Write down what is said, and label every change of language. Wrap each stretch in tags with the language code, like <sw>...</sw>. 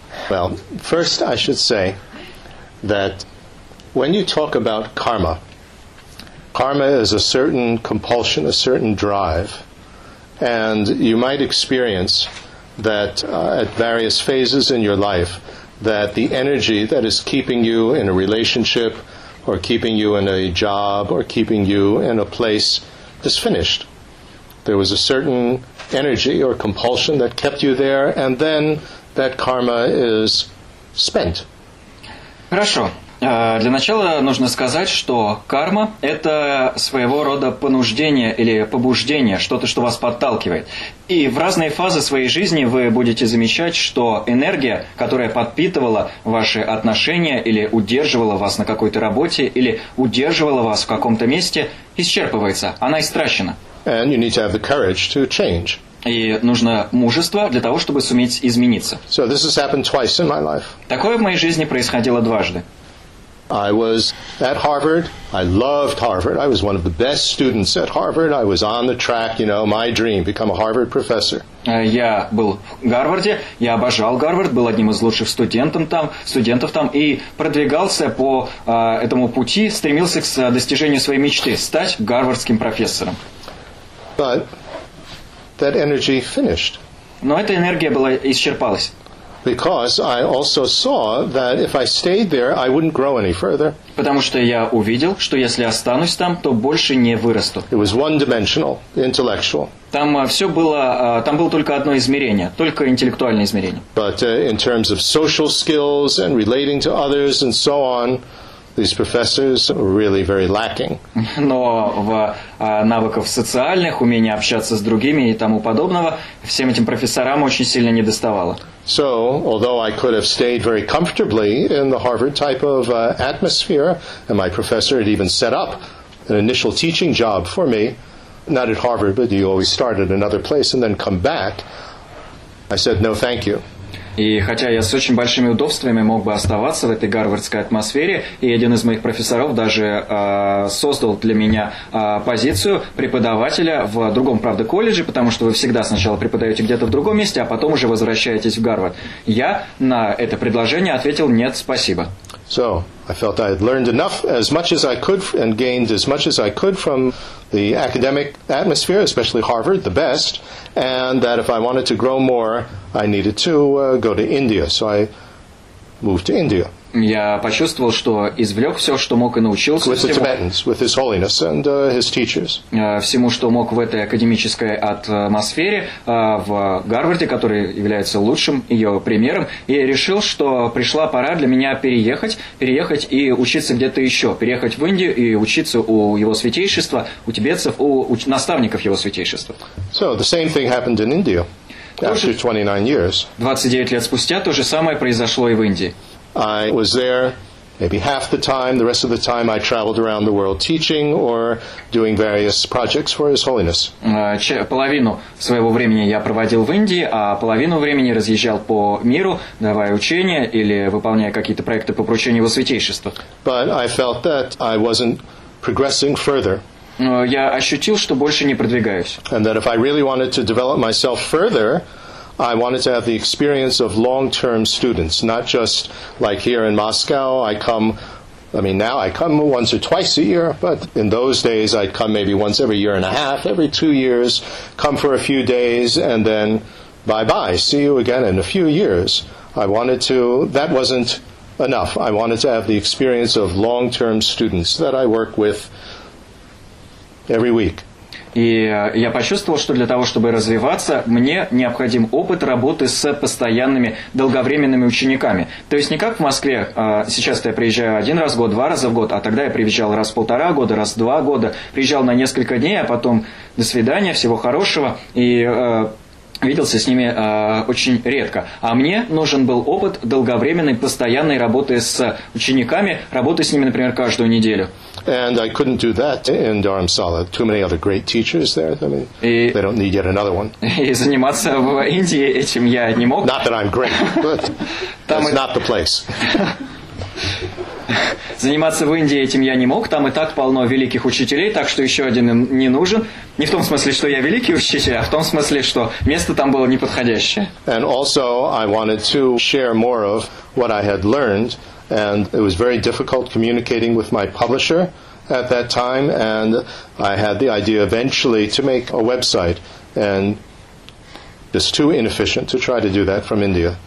<en>Well, first I should say that when you talk about karma, karma is a certain compulsion, a certain drive, and you might experience that at various phases in your life that the energy that is keeping you in a relationship or keeping you in a job or keeping you in a place is finished. There was a certain energy or compulsion that kept you there, and then that karma is spent.</en> <ru>Хорошо. Для начала нужно сказать, что карма – это своего рода понуждение или побуждение, что-то, что вас подталкивает. И в разные фазы своей жизни вы будете замечать, что энергия, которая подпитывала ваши отношения или удерживала вас на какой-то работе, или удерживала вас в каком-то месте, исчерпывается, она истрачена.</ru> <en>And you need to have the courage to change.</en> <ru>И нужно мужество для того, чтобы суметь измениться.</ru> <en>So this has happened twice in my life.</en> <ru>Такое в моей жизни происходило дважды.</ru> <en>I was at Harvard. I loved Harvard. I was one of the best students at Harvard. I was on the track, you know, my dream, become a Harvard professor.</en> <ru>Я был в Гарварде. Я обожал Гарвард. Был одним из лучших студентов там. И продвигался по этому пути, стремился к достижению своей мечты, стать гарвардским профессором.</ru> <en>But that energy finished.</en> <ru>Но эта энергия была исчерпалась.</ru> <en>Because I also saw that if I stayed there, I wouldn't grow any further.</en> <ru>Потому что я увидел, что если останусь там, то больше не вырасту.</ru> <en>It was one-dimensional, intellectual.</en> <ru>Там все было, там было только одно измерение, только интеллектуальное измерение.</ru> <en>But in terms of social skills and relating to others and so on, these professors were really very lacking.</en> <ru>Но в навыках социальных, умении общаться с другими и тому подобного, всем этим профессорам очень сильно недоставало.</ru> <en>So, although I could have stayed very comfortably in the Harvard type of atmosphere, and my professor had even set up an initial teaching job for me, not at Harvard, but you always start at another place and then come back, I said, no, thank you.</en> <ru>И хотя я с очень большими удобствами мог бы оставаться в этой гарвардской атмосфере, и один из моих профессоров даже создал для меня позицию преподавателя в другом, правда, колледже, потому что вы всегда сначала преподаете где-то в другом месте, а потом уже возвращаетесь в Гарвард. Я на это предложение ответил «нет, спасибо».</ru> <en>So, I felt I had learned enough, as much as I could, and gained as much as I could from the academic atmosphere, especially Harvard, the best, and that if I wanted to grow more, I needed to go to India. So I moved to India.</en> <ru>Я почувствовал, что извлек все, что мог и научился.</ru> <en>With the Tibetans, with His Holiness and His teachers.</en> <ru>Всему, что мог в этой академической атмосфере в Гарварде, который является лучшим ее примером, и решил, что пришла пора для меня переехать и учиться где-то еще, переехать в Индию и учиться у Его Святейшества, у тибетцев, у наставников Его Святейшества.</ru> <en>So the same thing happened in India after 29 years.</en> <ru>29 лет спустя то же самое произошло и в Индии.</ru> <en>I was there maybe half the time. The rest of the time I traveled around the world teaching or doing various projects for His Holiness.</en> <ru>Половину своего времени я проводил в Индии, а половину времени разъезжал по миру, давая учения или выполняя какие-то проекты по поручению Его Святейшества.</ru> <en>But I felt that I wasn't progressing further.</en> <ru>Я ощутил, что больше не продвигаюсь.</ru> <en>And that if I really wanted to develop myself further, I wanted to have the experience of long-term students, not just like here in Moscow. Now I come once or twice a year, but in those days I'd come maybe once every year and a half, every 2 years, come for a few days, and then bye-bye, see you again in a few years. That wasn't enough. I wanted to have the experience of long-term students that I work with every week.</en> <ru>И я почувствовал, что для того, чтобы развиваться, мне необходим опыт работы с постоянными, долговременными учениками. То есть не как в Москве, сейчас я приезжаю один раз в год, два раза в год, а тогда я приезжал раз в полтора года, раз в два года, приезжал на несколько дней, а потом до свидания, всего хорошего, и виделся с ними очень редко. А мне нужен был опыт долговременной, постоянной работы с учениками, работы с ними, например, каждую неделю.</ru> <en>And I couldn't do that in Dharamsala. Too many other great teachers there. I mean, they don't need yet another one.</en> <ru>И заниматься в Индии этим я не мог.</ru> <en>Not that I'm great, but that's not the place.</en> <ru>заниматься в Индии этим я не мог. Там и так полно великих учителей, так что еще один им не нужен. Не в том смысле, что я великий учитель, а в том смысле, что место там было неподходящее.</ru> <en>And also I wanted to share more of what I had learned, and it was very difficult communicating with my publisher at that time, and I had the idea eventually to make a website, and it's too inefficient to try to do that from India.</en>